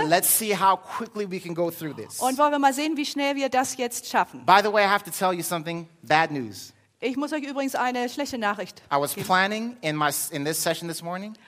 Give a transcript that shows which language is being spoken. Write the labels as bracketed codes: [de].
[en] And let's see how quickly we can go through this. [de] Und wollen wir mal sehen, wie schnell wir das jetzt schaffen. [en] By the way, I have to tell you something. Bad news. [de] Ich muss euch übrigens eine schlechte Nachricht geben. [en] I was planning in this session this morning.